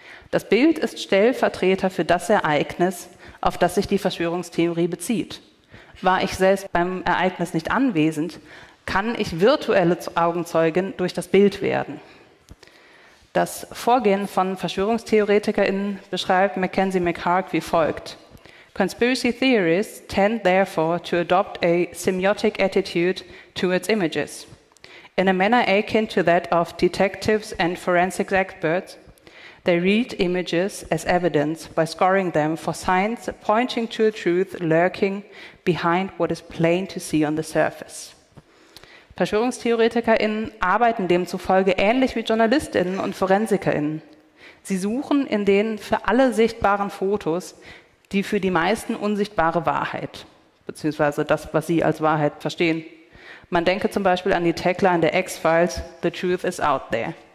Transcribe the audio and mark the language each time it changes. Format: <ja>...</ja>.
<de>Das Bild ist Stellvertreter für das Ereignis, auf das sich die Verschwörungstheorie bezieht. War ich selbst beim Ereignis nicht anwesend, kann ich virtuelle Augenzeugin durch das Bild werden. Das Vorgehen von VerschwörungstheoretikerInnen beschreibt Mackenzie McHarg wie folgt.</de> <en>Conspiracy theorists tend therefore to adopt a semiotic attitude towards images. In a manner akin to that of detectives and forensic experts, they read images as evidence by scoring them for signs pointing to a truth lurking behind what is plain to see on the surface.</en> <de>VerschwörungstheoretikerInnen arbeiten demzufolge ähnlich wie JournalistInnen und ForensikerInnen. Sie suchen in den für alle sichtbaren Fotos die für die meisten unsichtbare Wahrheit, beziehungsweise das, was sie als Wahrheit verstehen. Man denke zum Beispiel an die Tagline der X-Files,</de> <en>The truth is out there.</en>